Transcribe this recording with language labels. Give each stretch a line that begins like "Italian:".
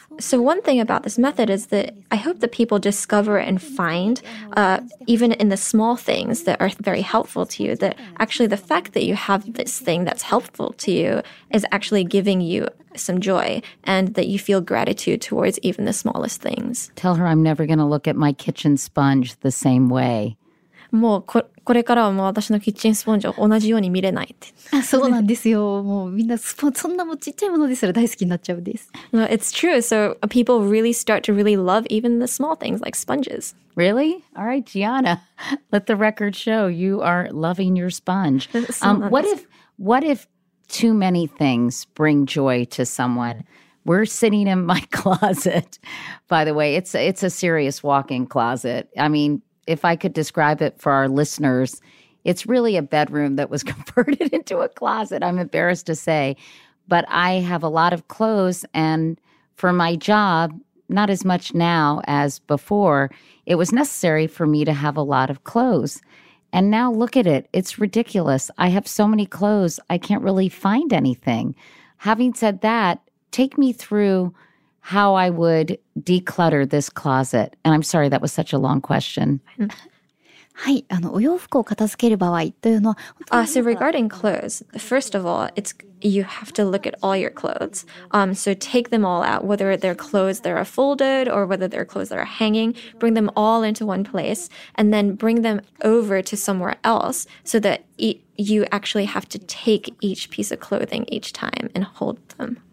English: So one thing about this method is that I hope that people discover and find, even in the small things that are very helpful to you, that actually the fact that you have this thing that's helpful to you is actually giving you some joy and that you feel gratitude towards even the smallest things. Tell her I'm never going to look at my kitchen sponge the same way.
Japanese: もうこれからはもう私のキッチンスポンジを同じように見れないって。あ、そうなんですよ。もうみんなスポンそんなもちっちゃいものですら大好きになっちゃうんです。
English: No, it's true. So people really start to really love even the small things like sponges. Really? All right, Gianna, let the record show you are loving your sponge. What if too many things bring joy to someone? We're sitting in my closet. By the way, it's a serious walk-in closet. I mean,If I could describe it for our listeners, it's really a bedroom that was converted into a closet, I'm embarrassed to say. But I have a lot of clothes, and for my job, not as much now as before, it was necessary for me to have a lot of clothes. And now look at it. It's ridiculous. I have so many clothes, I can't really find anything. Having said that, take me through how I would declutter this closet. And I'm sorry, that was such a long question.
Japanese: はい、あの、お洋服を片付ける場合というのは、
English: So regarding clothes, first of all, it's you have to look at all your clothes. So take them all out, whether they're clothes that are folded or whether they're clothes that are hanging, bring them all into one place and then bring them over to somewhere else so that you actually have to take each piece of clothing each time and hold them.